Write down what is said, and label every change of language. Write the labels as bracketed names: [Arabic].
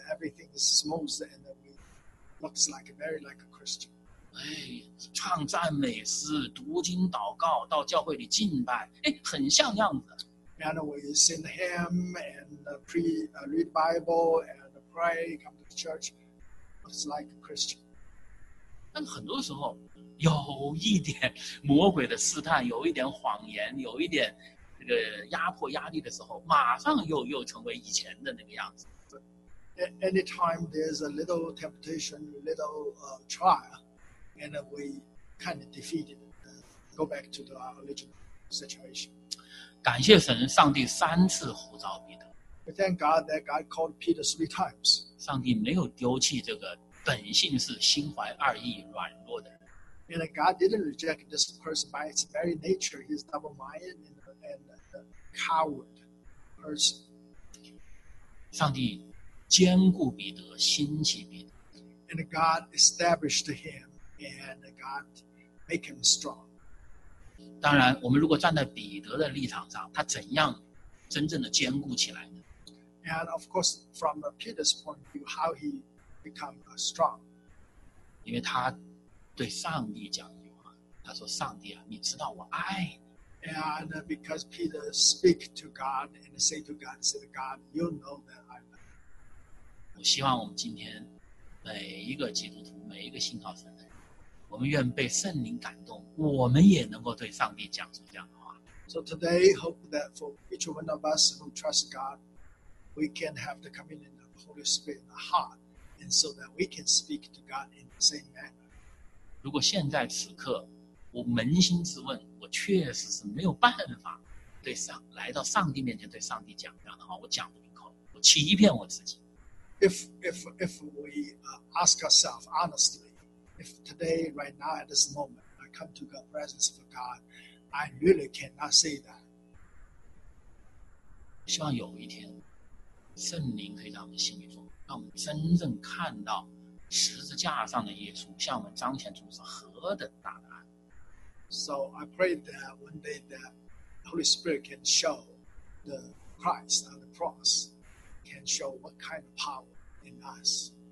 [English] Everything is smooth and looks like very like a Christian. [Chinese] 哎，唱赞美诗，读经祷告，到教会里敬拜，哎，很像样子。 [English] And we sing the hymn and read the Bible and pray, come to church. It's like a Christian. [Chinese] 但很多时候，有一点魔鬼的试探，有一点谎言，有一点这个压迫压力的时候，马上又成为以前的那个样子。 [English] Anytime there's a little temptation, little trial. And we kind of defeated and go back to our original situation. [Chinese] 感谢神，上帝三次呼召彼得。 [English] We thank God that God called Peter three times. [Chinese] 上帝没有丢弃这个本性是心怀二意、软弱的人。 [English] And God didn't reject this person by its very nature. He's double-minded and a coward person. [Chinese] 上帝坚固彼得，兴起彼得。 [English] And God established him. And God make him strong. [Chinese] 当然，我们如果站在彼得的立场上，他怎样真正的坚固起来呢 [English] ？And of course, from Peter's point of view, how he become strong? [Chinese] 因为他对上帝讲一句话，他说：“上帝啊，你知道我爱你。 [English] ”And because Peter speak to God and say to God, "Said God, you know that I love." [Chinese] 我希望我们今天每一个基督徒，每一个信靠神的人。我们愿被圣灵感动，我们也能够对上帝讲出这样的话。 [English] So today, hope that for each one of us who trust God, we can have the communion of the Holy Spirit in our heart, and so that we can speak to God in the same manner. [Chinese] 如果现在此刻，我扪心自问，我确实是没有办法对上来到上帝面前对上帝讲这样的话，我讲不出口，我欺骗我自己。 [English] If we ask ourselves honestly. If today, right now, at this moment, I come to the presence of God, I really cannot say that. [Chinese] 希望有一天，圣灵可以在我们心里说，让我们真正看到十字架上的耶稣向我们彰显出是何等大的爱。 [English] So I pray that one day that the Holy Spirit can show the Christ on the cross, can show what kind of power in us.